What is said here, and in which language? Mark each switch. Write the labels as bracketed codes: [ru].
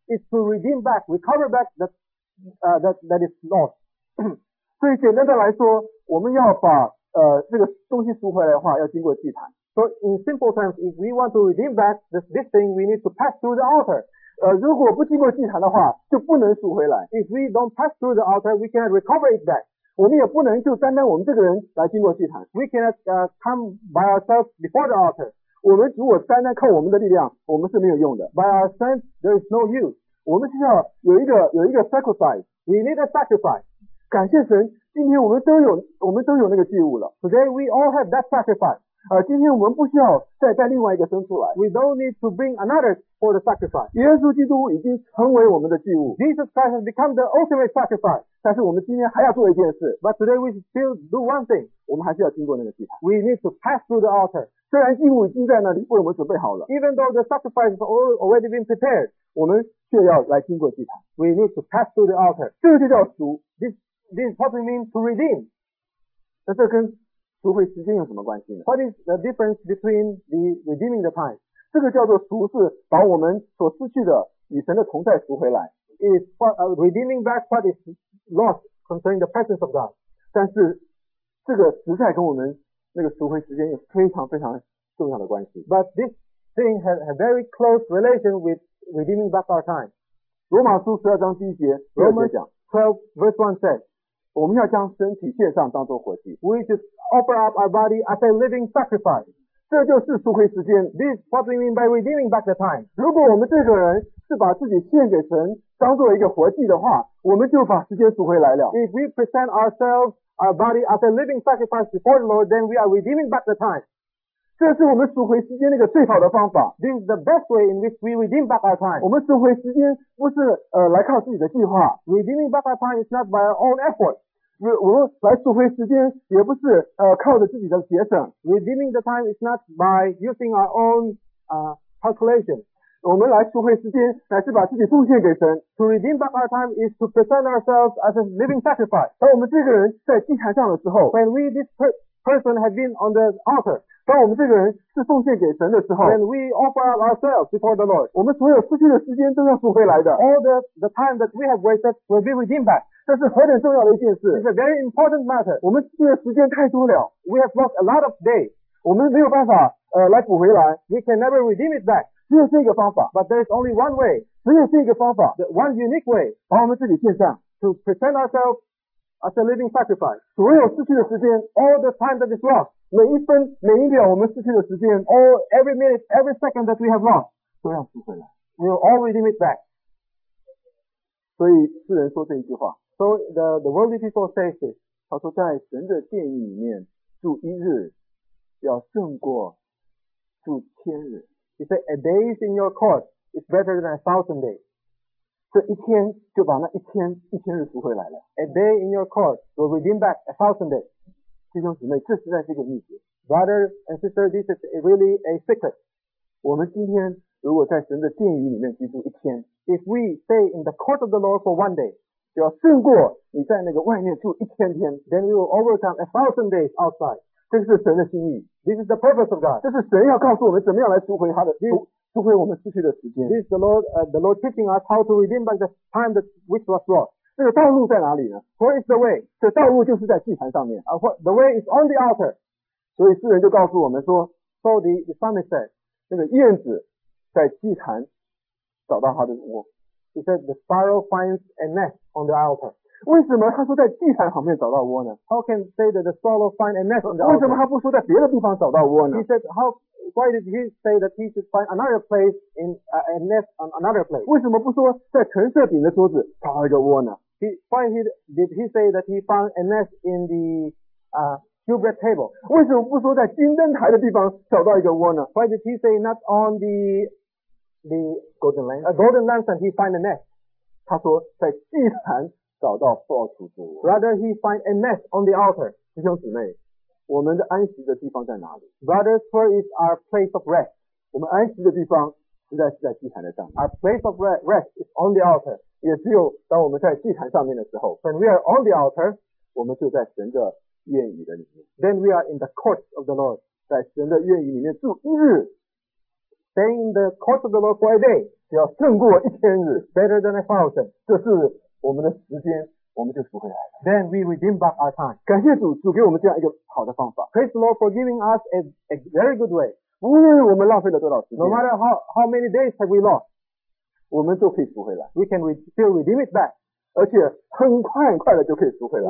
[en] Is to redeem back, recover back that is lost. [zh] 所以简单的来说，我们要把这个东西赎回来的话，要经过祭坛。 [en] So in simple terms, if we want to redeem back this thing, we need to pass through the altar. [zh] 如果不经过祭坛的话，就不能赎回来。 [en] If we don't pass through the altar, we cannot recover it back. [zh] 我们也不能就单单我们这个人来经过祭坛。 [en] We cannot come by ourselves before the altar. [zh] 我们如果单单靠我们的力量，我们是没有用的。 [en] By our strength, there is no use. [zh] 我们需要有一个 sacrifice. [en] We need a sacrifice. [zh] 感谢神，今天我们都有那个祭物了。 [en] Today we all have that sacrifice. [zh] 今天我们不需要再带另外一个牲畜来。 [en] We don't need to bring another for the sacrifice. [zh] 耶稣基督已经成为我们的祭物。 [en] Jesus Christ has become the ultimate sacrifice. [zh] 但是我们今天还要做一件事。 [en] But today we still do one thing. [zh] 我们还是要经过那个祭坛。 [en] We need to pass through the altar. [zh] 虽然祭物已经在那里为我们准备好了。 [en] Even though the sacrifice has already been prepared. [zh] 我们却要来经过祭坛。 [en] We need to pass through the altar. [zh] 这个就叫赎。 [en] This probably means to redeem. [zh] 那这跟赎回时间有什么关系呢？ [en] What is the difference between the redeeming the time? [zh] 这个叫做赎是把我们所失去的与神的同在赎回来。 [en] It's redeeming back what is lost concerning the presence of God. [zh] 但是这个实在跟我们那个赎回时间有非常非常重要的关系。 [en] But this thing has a very close relation with redeeming back our time. [zh] 罗马书12章第一节，罗马讲 [en] 12 verse 1 says, [zh] 我们要将身体献上当作活祭。 [en] We should offer up our body as a living sacrifice. [zh] 这就是赎回时间。 [en] This is what we mean by redeeming back the time. [zh] 如果我们这个人是把自己献给神当作一个活祭的话，我们就把时间赎回来了。 [en] If we present ourselves, our body as a living sacrifice before the Lord, then we are redeeming back the time. [zh] 这是我们赎回时间那个最好的方法。 [en] This is the best way in which we redeem back our time. [zh] 我们赎回时间不是来靠自己的计划。 [en] Redeeming back our time is not by our own effort. [zh] 我们来赎回时间也不是靠着自己的节省。 [en] Redeeming the time is not by using our own calculation. [zh] 我们来赎回时间乃是把自己奉献给神。 [en] To redeem back our time is to present ourselves as a living sacrifice. [zh] 当我们这个人在祭坛上的时候 [en] ，When we this person has been on the altar. [zh] 当我们这个人是奉献给神的时候 [en] ，When we offer ourselves before the Lord， [zh] 我们所有失去的时间都要赎回来的。 [en] All the time that we have wasted will be redeemed back。 [zh] 这是何等重要的一件事 [en] ！It's a very important matter。 [zh] 我们失去的时间太多了 [en] ，We have lost a lot of days。 [zh] 我们没有办法来补回来 [en] ，We can never redeem it back。 [zh] 只有这个方法 [en] ，But there is only one way。 [zh] 只有这个方法 [en] ，The one unique way， [zh] 把我们自己献上 [en] ，To present ourselves as a living sacrifice。 [zh] 所有失去的时间 [en] ，All the time that is lost。 [zh] 每一分每一秒我们失去的时间 [en] every minute, every second that we have lost, [zh] 都要赎回来。 [en] We'll all redeem it back. [zh] 所以世人说这一句话。 [en] So the worldly people say this. [zh] 他说在神的殿宇里面住一日要胜过住千日。 [en] He said, a day is in your court is better than a thousand days. [zh] 这一天就把那一千日赎回来了。 [en] A day in your court will redeem back a thousand days. [zh] 弟兄姊妹，这实在是一个秘诀。 [en] Brother and sister, this is really a secret. [zh] 我们今天如果在神的殿宇里面居住一天 [en] ，If we stay in the court of the Lord for one day, [zh] 就要胜过你在那个外面住一千天。 [en] Then we will overcome a thousand days outside. [zh] 这是神的心意。 [en] This is the purpose of God. [zh] 这是神要告诉我们怎么样来赎回他的赎回我们失去的时间。 [en] This is the Lord teaching us how to redeem back the time that which was lost. [zh] 这个道路在哪里呢 [en] ？Where is the way？ [zh] 这道路就是在祭坛上面。 [en] The way is on the altar。 [zh] 所以诗人就告诉我们说 [en] ，So the psalmist said， [zh] 那个燕子在祭坛找到它的窝。 [en] He said the sparrow finds a nest on the altar。 [zh] 为什么他说在祭坛旁边找到窝呢 [en] ？How can say that the sparrow find a nest on the altar？ [zh] 为什么他不说在别的地方找到窝呢 [en] ？He said how why did he say that he should find another place in a nest on another place？ [zh] 为什么不说在陈设饼的桌子找到一个窝呢？ [en] Why did he say that he found a nest in the cubed table? [zh] 为什么不说在金灯台的地方找到一个窝呢 [en] ？Why did he say not on the golden lamp? Golden lantern he find a nest. [zh] 他说在祭坛找到破处之窝。 [en] Rather he find a nest on the altar. [zh] 弟兄姊妹，我们的安息的地方在哪里 [en] ？Brothers, where is our place of rest? [zh] 我们安息的地方实在是在祭坛的上面。 [en] Our place of rest is on the altar. [zh] 也只有当我们在祭坛上面的时候 [en] ，When we are on the altar， [zh] 我们就在神的院宇的里面。 [en] Then we are in the courts of the Lord， [zh] 在神的院宇里面住一日 [en] ，Staying in the courts of the Lord for a day， [zh] 只要胜过一千日 [en] ，Better than a thousand， [zh] 这是我们的时间，我们就赎回来了。 [en] Then we redeem back our time。 [zh] 感谢主，主给我们这样一个好的方法。 [en] Praise the Lord for giving us a very good way。 [zh] 无论我们浪费了多少时间 [en] ，No matter how many days have we lost。 [zh] 我们就可以赎回来。 [en] We can still redeem it back. [zh] 而且很快很快的就可以赎回来。